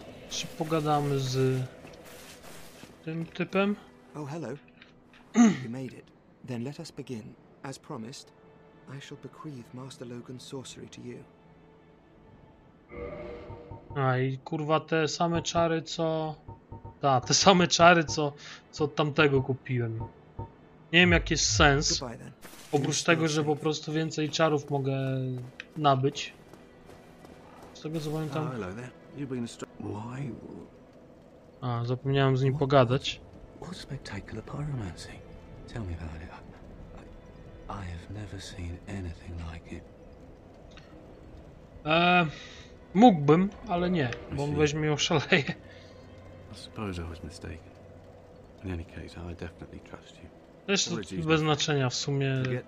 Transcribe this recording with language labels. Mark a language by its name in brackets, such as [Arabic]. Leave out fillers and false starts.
[Polish] Czy pogadamy z tym typem? [English] Oh, hello. You made it. Then let us begin. As promised, I shall bequeath Master Logan's sorcery to you. [Polish] A i kurwa te same czary co... Tak, te same czary co od tamtego kupiłem. Nie wiem jaki jest sens. Oprócz tego, że po prostu więcej czarów mogę nabyć. Z tego co pamiętam. [English] Why? [Polish] A, zapomniałem z nim pogadać. [English] What spectacular pyromancy? Tell me about it. I have never seen anything like it. [Polish] Mógłbym, ale nie, bo on weźmie ją szaleje. [English] I suppose I was mistaken. In any case, I definitely trust you. [Polish] Zresztą bez znaczenia w sumie.